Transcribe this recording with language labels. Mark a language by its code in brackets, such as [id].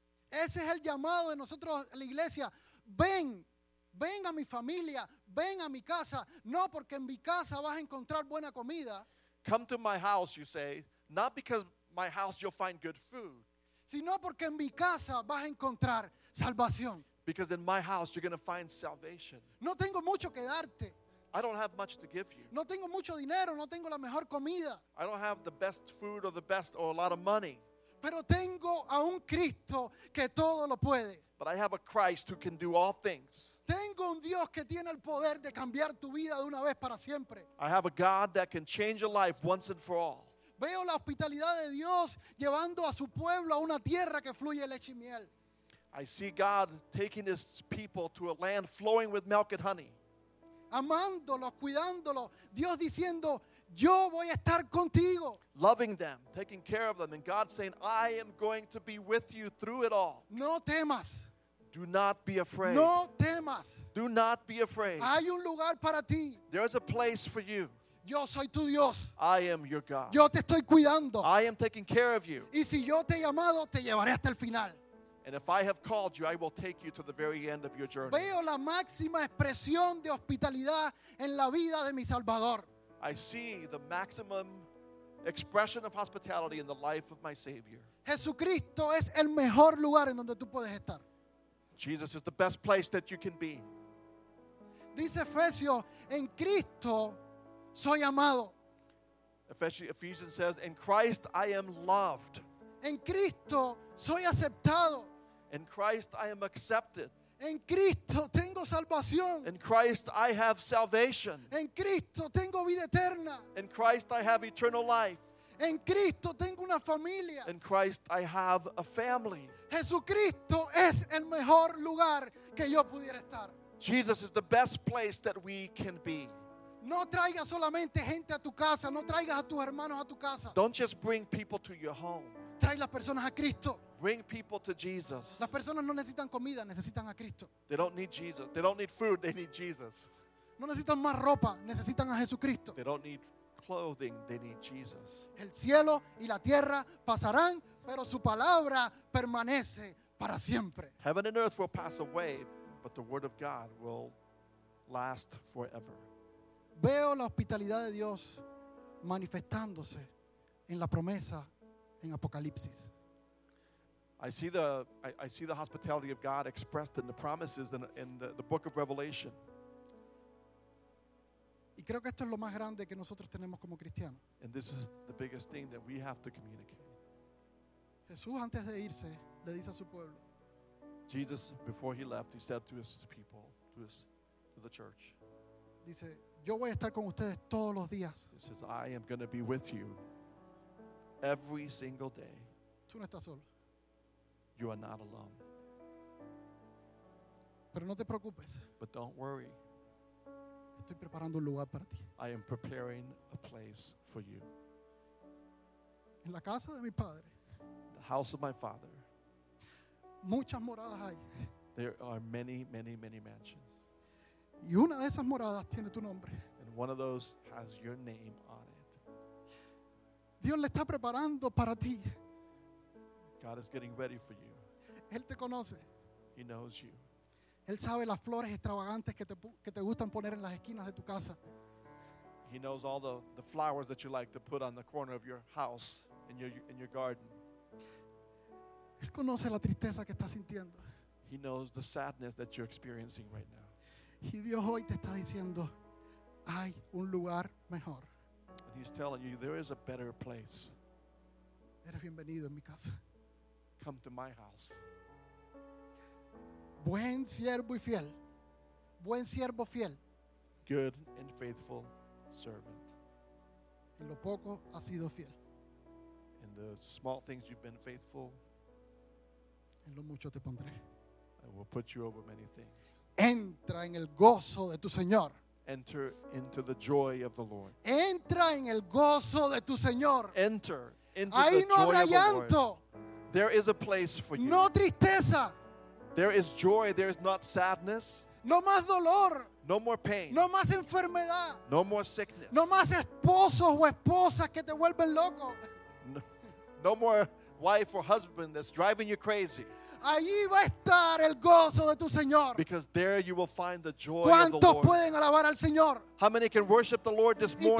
[es] Ese es el llamado de nosotros, la iglesia. Ven, ven a mi familia, ven a mi casa. No porque en mi casa vas a encontrar buena comida. [en] Come to my house, you say. Not because my house you'll find good food. [es] Sino porque en mi casa vas a encontrar salvación. [en] Because in my house you're going to find salvation. [es] No tengo mucho que darte. [en] I don't have much to give you. [es] No tengo mucho dinero, no tengo la mejor comida. [en] I don't have the best food or the best or a lot of money. [es] Pero tengo a un Cristo que todo lo puede. [en] But I have a Christ who can do all things. [es] Tengo un Dios que tiene el poder de cambiar tu vida de una vez para siempre. [en] I have a God that can change a life once and for all. [es] Veo la hospitalidad de Dios llevando a su pueblo a una tierra que fluye leche y miel. [en] I see God taking his people to a land flowing with milk and honey. [es] Amándolos, cuidándolos, Dios diciendo, yo voy a estar contigo. [en] Loving them, taking care of them, and God saying, I am going to be with you through it all. [es] No temas. [en] Do not be afraid. [es] No temas. [en] Do not be afraid. [es] Hay un lugar para ti. [en] There is a place for you. [es] Yo soy tu Dios. [en] I am your God. [es] Yo te estoy cuidando. [en] I am taking care of you. [es] Y si yo te he llamado, te llevaré hasta el final. [en] And if I have called you, I will take you to the very end of your journey. [es] Veo la máxima expresión de hospitalidad en la vida de mi Salvador. [en] I see the maximum expression of hospitality in the life of my Savior. [es] Jesucristo es el mejor lugar en donde tú puedes estar. [en] Jesus is the best place that you can be. [es] Dice Efesios, en Cristo soy amado. [en] Ephesians says, in Christ I am loved. [es] En Cristo soy aceptado. [en] In Christ I am accepted. [es] En Cristo tengo salvación. [en] In Christ I have salvation. [es] En Cristo tengo vida eterna. [en] In Christ I have eternal life. [es] En Cristo tengo una familia. [en] In Christ I have a family. [es] Jesucristo es el mejor lugar que yo pudiera estar. [en] Jesus is the best place that we can be. [es] No traigas solamente gente a tu casa, no traigas a tus hermanos a tu casa. [en] Don't just bring people to your home. [es] Trae las personas a Cristo. [en] Bring people to Jesus. [es] Las personas no necesitan comida, necesitan a Cristo. [en] They don't need Jesus. They don't need food, they need Jesus. [es] No necesitan más ropa, necesitan a Jesucristo. [en] They don't need clothing, they need Jesus. [es] El cielo y la tierra pasarán, pero su palabra permanece para siempre. [en] Heaven and earth will pass away, but the word of God will last forever. [es] Veo la hospitalidad de Dios manifestándose en la promesa en Apocalipsis. [en] I see the hospitality of God expressed in the promises in the book of Revelation. [es] Y creo que esto es lo más grande que nosotros tenemos como cristianos. [en] And this is the biggest thing that we have to communicate. [es] Jesús antes de irse le dice a su pueblo. [en] Jesus before he left, he said to his people, to the church. [es] Dice, yo voy a estar con ustedes todos los días. [en] He says, I am going to be with you every single day. [es] Tú no estás solo. [en] You are not alone. [es] Pero no te preocupes. [en] But don't worry. [es] Estoy preparando un lugar para ti. [en] I am preparing a place for you. [es] En la casa de mi padre. [en] The house of my father. [es] Muchas moradas hay. [en] There are many, many, many mansions. [es] Y una de esas moradas tiene tu nombre. [en] And one of those has your name on it. [es] Dios le está preparando para ti. [en] God is getting ready for you. [es] Él te conoce. [en] He knows you. [es] Él sabe las flores extravagantes que te gustan poner en las esquinas de tu casa. [en] He knows all the flowers that you like to put on the corner of your house in your garden. [es] Él conoce la tristeza que estás sintiendo. [en] He knows the sadness that you're experiencing right now. [es] Y Dios hoy te está diciendo, hay un lugar mejor. [en] And he's telling you there is a better place. [es] Eres bienvenido en mi casa. [en] Come to my house. [es] Buen siervo y fiel. Buen siervo fiel. [en] Good and faithful servant. [es] En lo poco ha sido fiel. [en] In the small things you've been faithful. [es] En lo mucho te pondré. [en] I will put you over many things. [es] Entra en el gozo de tu Señor. [en] Enter into the joy of the Lord. [es] Entra en el gozo de tu Señor. [en] Enter into [es] ahí [en] the [es] no [en] joy [es] habrá [en] of [es] llanto. [en] The Lord. There is a place for you. [es] No tristeza. [en] There is joy. There is not sadness. [es] No más dolor. [en] No more pain. [es] No más enfermedad. [en] No more sickness. [es] No más esposos o esposas que te vuelven loco. [en] No more wife or husband that's driving you crazy. [es] Allí va a estar el gozo de tu Señor. [en] Because there you will find the joy of the [es] ¿Cuántos pueden alabar al Señor? [en] How many can worship the Lord this morning?